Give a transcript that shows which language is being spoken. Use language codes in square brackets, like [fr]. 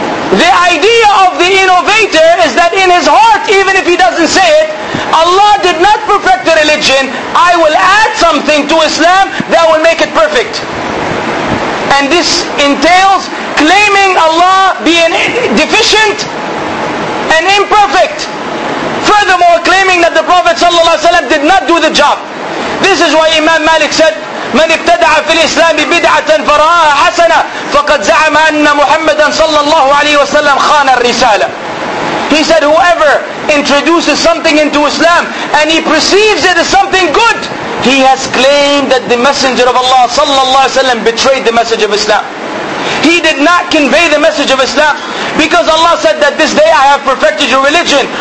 [en] The idea of the innovator is that in his heart, even if he doesn't say it, Allah did not perfect the religion, I will add something to Islam that will make it perfect. And this entails claiming Allah being deficient and imperfect. Furthermore, claiming that the Prophet ﷺ did not do the job. This is why Imam Malik said, [ar] من ابتدع في الإسلام بدعة فرآها حسنة فقد زعم أن محمدا صلى الله عليه وسلم خان الرسالة. [en] He said, whoever introduces something into Islam and he perceives it as something good, he has claimed that the Messenger of Allah [ar] صلى الله عليه وسلم [en] betrayed the message of Islam. He did not convey the message of Islam, because Allah said that this day I have perfected your religion.